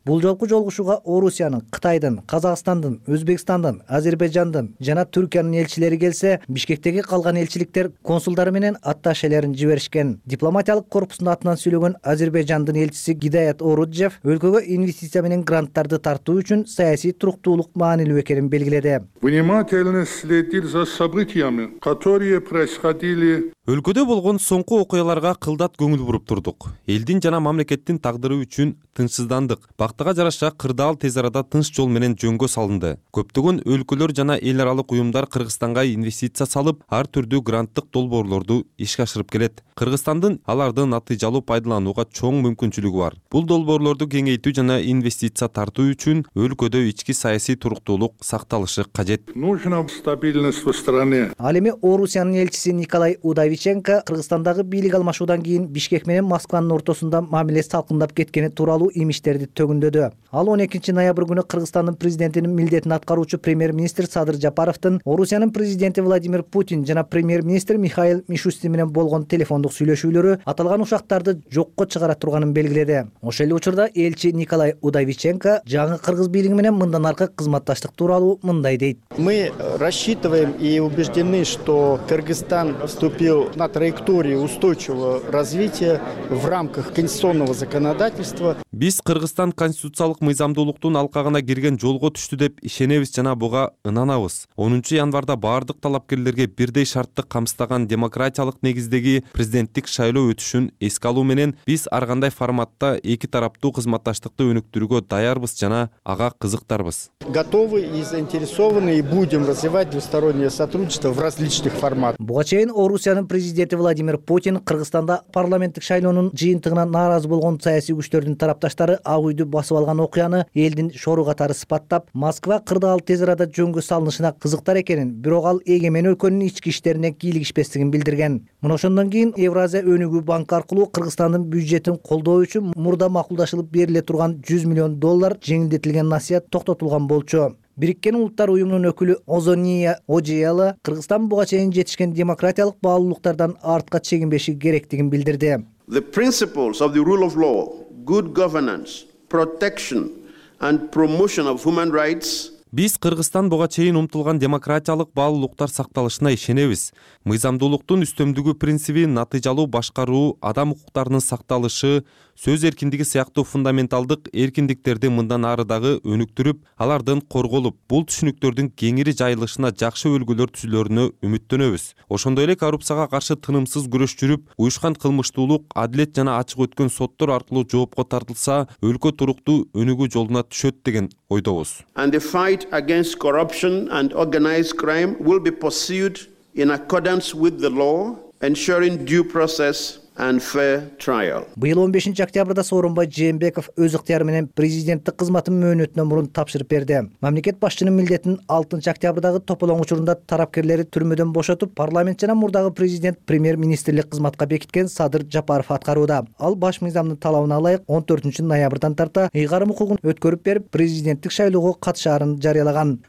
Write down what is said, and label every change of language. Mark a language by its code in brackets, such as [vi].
[ky] Бул жолку жолугушууга Орусиянын, Кытайдын, Казакстандын, Өзбекстандын, Азербайжандын жана Түркиянын элчилери келсе, Бишкектеги калган элчиликтер консулдар менен атташелерин жиберишкен. Дипломатиялык корпустун атынан сүйлөгөн Азербайжандын элчиси Гидаят Оруджев өлкөгө инвестиция менен гранттарды тартуу үчүн саясий туруктуулук маанилүү экенин белгиледи. [ru] Внимательно следил за событиями, которые происходили. [ky] Өлкөдө болгон соңку окуяларга кылдат көңүл буруп турдук. Элдин жана мамлекеттин тагдыры үчүн тынчсыздандык. Бактыга жараша кырдаал тез арада тынч жол менен жөнгө салынды. Көптөгөн өлкөлөр жана эл аралык уюмдар Кыргызстанга инвестиция салып, ар түрдүү гранттык долбоорлорду ишке ашырып келет. Кыргызстандын аларды натыйжалуу пайдаланууга чоң мүмкүнчүлүгү бар. Бул долбоорлорду кеңейтүү жана инвестиция тартуу үчүн өлкөдө ички саясий туруктуулук сакталышы кажет. [ru] Нужна стабильность в стране. [ky] Ал эми Орусиянын элчиси Николай Удавиченко Кыргызстандагы бийлик алмашуудан кийин Бишкек менен Москванын ортосунда мамиле салкындап кеткени тууралуу имиштерди төгүндөдү. Ал 12 ноябрь күнү Кыргызстандын президентинин милдетин аткаруучу премьер-министр Садыр Жапаровдун Орусиянын президенти Владимир Путин жана премьер-министр Михаил Мишустин менен болгон телефондук сүйлөшүүлөрү аталган ушактарды жокко чыгара турганын белгиледи. Ошол эле учурда элчи Николай Удавиченко жаңы кыргыз бийлиги менен мындан аркы кызматташтык тууралуу мындай дейт. [ru] Мы рассчитываем и убеждены, что Кыргызстан вступил на траекторию устойчивого развития в рамках конституционного законодательства. [ky] Биз Кыргызстан конституциялык мыйзамдуулуктун алкагына кирген жолго түштү деп ишенебиз жана буга ынанабыз. 10 январда баардык талапкерлерге бирдей шартты камсыздаган демократиялык негиздеги президенттик шайлоо өтүшүн эске алуу менен биз ар кандай форматта эки тараптуу кызматташтыкты өнүктүрүүгө даярбыз жана ага кызыктарбыз. [ru] Готовы и заинтересованы и будем развивать двустороннее сотрудничество в различных форматах. [ky] Буга чейин Орусиянын президенти Владимир Путин Кыргызстанда парламенттик шайлоонун жыйынтыгына нааразы болгон саясий күчтөрдүн тарапташтары Ак үйдү басып алган окуяны элдин шору катары сыпаттап, Москва кырдаал тез арада жөнгө салынышына кызыктар экенин, бирок ал эгемен өлкөнүн ички иштерине кийлигишпестигин билдирген. Мына ошондон кийин Евразия өнүгүү банк аркылуу Кыргызстандын бюджетин колдоо үчүн мурда макулдашылып бериле турган 100 миллион доллар жеңилдетилген насыят токтотулган болчу. Бириккен улуттар уюмунун өкүлү Озония Ожеяла Кыргызстан буга чейин жетишкен демократиялык баалуулуктардан артка чегинбеши керектигин билдирди. [en] The principles of the rule of law, good governance, protection and promotion of human rights. [ky] Биз Кыргызстан буга чейин умтулган демократиялык баалуулуктар сакталышына ишенебиз. Мыйзамдуулуктун үстөмдүгү принциби, натыйжалуу башкаруу, адам укуктарынын сакталышы, сөз эркиндиги сыяктуу фундаменталдык эркиндиктерди мындан ары дагы өнүктүрүп, алардын корголуп, бул түшүнүктөрдүн кеңири жайылышына жакшы өлгөлөр түзүлөрүнө үмүттөнөбүз. Ошондой эле коррупцияга каршы тынымсыз күрөш жүрүп, уюшкан кылмыштуулук адилет жана ачык өткөн соттор аркылуу жоопко тартылса, өлкө туруктуу өнүгүү жолуна түшөт деген ойдобуз. [en] Fight against corruption and organized crime will be pursued in accordance with the law, ensuring due process and fair trial. [ky] Быйыл 15 октябрда Сооронбай Жээнбеков өз ыктыяры менен президенттик кызматын мөөнөтүнө мурун тапшырып берди. Мамлекет башчынын милдетин 6 октябрдагы тополоң учурунда тарапкерлери түрмөдөн бошотуп, парламент жана мурдагы президент премьер-министрлик кызматка бекиткен Садыр Жапаров аткарууда. Ал баш мыйзамдын талабына ылайык 14 ноябрдан тарта ыйгарым укугун өткөрүп берип, президенттик шайлоого катышаарын жарыялаган.